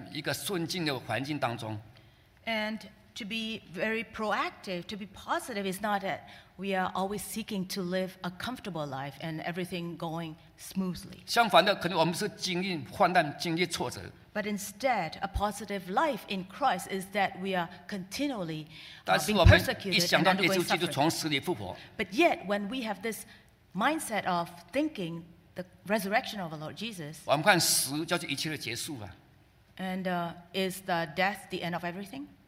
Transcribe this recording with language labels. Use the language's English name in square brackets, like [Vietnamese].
[Chinese] 乐观不是我们已经发了，我们的生活非常的舒适，我们处在一个顺境的环境当中。 [English] And to be very proactive, to be positive, is not that we are always seeking to live a comfortable life and everything going smoothly. [Chinese] 相反的，可能我们是经历患难、经历挫折。 [English] But instead, a positive life in Christ is that we are continually being persecuted and undergoing suffering. But yet, when we have this mindset of thinking the resurrection of our Lord Jesus, [Chinese] 我们看死就是一切的结束啊。 [English] And is the death the end of everything?